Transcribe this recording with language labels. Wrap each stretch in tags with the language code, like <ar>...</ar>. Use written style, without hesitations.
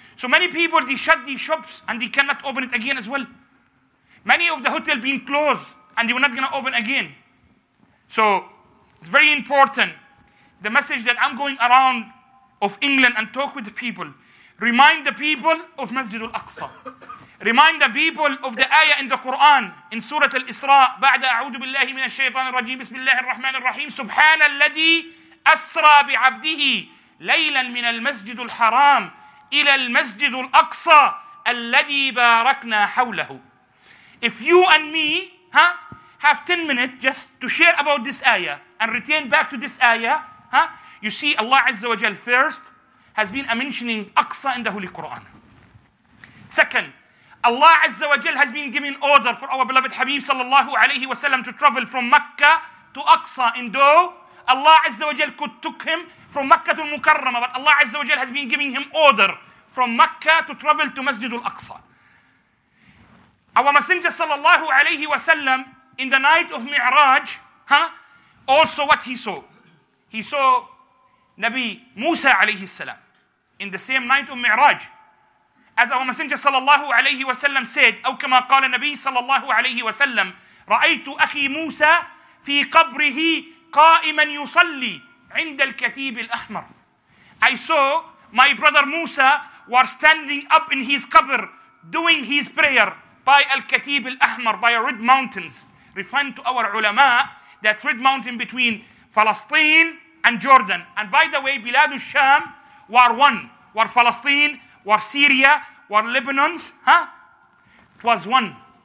<en>So many people, they shut these shops and they cannot open it again as well. Many of the hotels being closed and they were not going to open again. So it's very important. The message that I'm going around of England and talk with the people, remind the people of Masjid al-Aqsa. Remind the people of the ayah in the Quran, in Surah al-Isra,</en> <ar>بعد أعوذ بالله من الشيطان الرجيم بسم الله الرحمن الرحيم سبحان الذي أسرى بعبده ليلا من المسجد الحرام إلى المسجد الأقصى الذي باركنا حوله.</ar> <en>If you and me have 10 minutes just to share about this ayah and return back to this ayah, you see Allah Azza wa Jal first has been mentioning Aqsa in the Holy Quran. Second, Allah Azza wa Jal has been giving order for our beloved Habib sallallahu alayhi wa sallam to travel from Mecca to Aqsa, in though Allah Azza wa Jal could took him from Mecca to Mukarrama, but Allah Azza wa Jal has been giving him order from Mecca to travel to Masjid al-Aqsa. Our Messenger sallallahu alayhi wa sallam, in the night of Mi'raj, also what he saw? He saw Nabi Musa alayhi salam in the same night of Mi'raj. As our Messenger sallallahu alayhi wa sallam said,</en> <ar>أو كما قال النبي sallallahu alayhi wa sallam, رأيت أخي موسى في قبره قائما يصلي عند الكتيب الأحمر.</ar> <en>I saw my brother Musa was standing up in his قبر doing his prayer by الكتيب الأحمر, by red mountains. Referring to our ulama, that red mountain between Palestine and Jordan. And by the way, Bilad al-Sham war one, war Palestine, war Syria, war Lebanon, it was one.</en>